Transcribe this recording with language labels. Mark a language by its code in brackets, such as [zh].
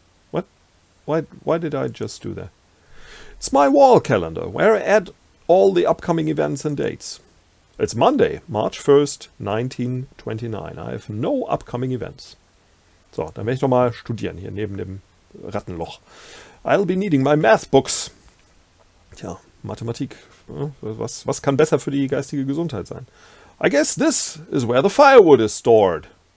[en] What? Why did I just do that? It's my wall calendar where I add all the upcoming events and dates. It's Monday, March 1st, 1929. I have no upcoming events. [de] So, dann werde ich doch mal studieren hier neben dem Rattenloch. [en] I'll be needing my math books. [de] Tja, Mathematik. Was kann besser für die geistige Gesundheit sein? [en] I guess this is where the firewood is stored.